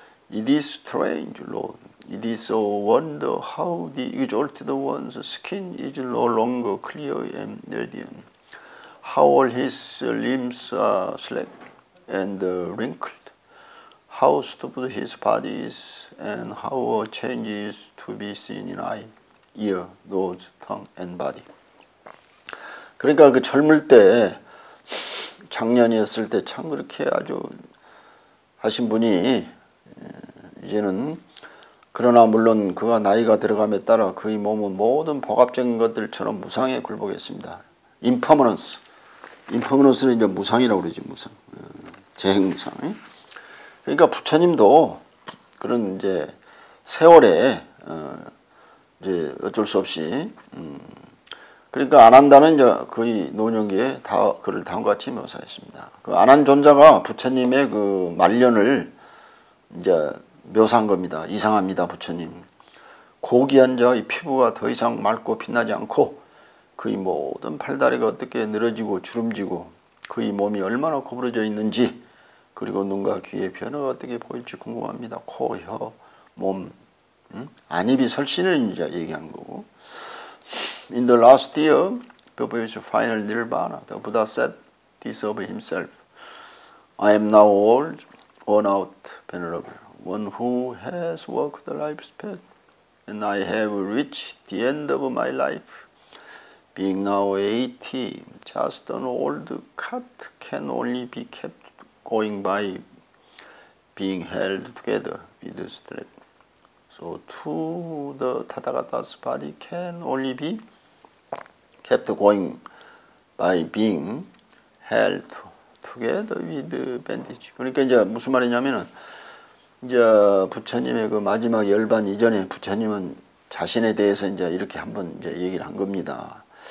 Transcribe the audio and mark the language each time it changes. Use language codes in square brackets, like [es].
[en] It is strange, Lord. It is a wonder how the exalted one's skin is no longer clear and radiant. How all his limbs are slack and wrinkled. how stupid his body is, and how a change is to be seen in eye, ear, nose, tongue, and body. [ko] 그러니까 그 젊을 때, 장년이었을 때 참 그렇게 아주 하신 분이 이제는 그러나 물론 그가 나이가 들어감에 따라 그의 몸은 모든 복합적인 것들처럼 무상에 굴복했습니다. Impermanence. Impermanence는 이제 무상이라고 그러지, 무상. 재행무상. 그러니까 부처님도 그런 이제 세월에 이제 어쩔 수 없이 그러니까 아난다는 이제 거의 노년기에 다 그를 다음과 같이 묘사했습니다. 그 아난 존자가 부처님의 그 말년을 이제 묘사한 겁니다. 이상합니다, 부처님. 고귀한 자의 피부가 더 이상 맑고 빛나지 않고 그의 모든 팔다리가 어떻게 늘어지고 주름지고 그의 몸이 얼마나 구부러져 있는지 그리고 눈과 귀의 변화가 어떻게 보일지 궁금합니다. 코, 혀, 몸, 안 입이 설신을 이제 얘기한 거고. [en] In the last year, before his final nirvana, the Buddha said this of himself. I am now old, worn out, venerable, one who has walked the life's path, and I have reached the end of my life. Being now 80, just an old cat can only be kept going by being held together with a strap. So to the Tathagata's body can only be kept going by being held together with bandage. [ko] 그러니까 이제 무슨 말이냐면은 이제 부처님의 그 마지막 열반 이전에 부처님은 자신에 대해서 이제 이렇게 한번 이제 얘기를 한 겁니다.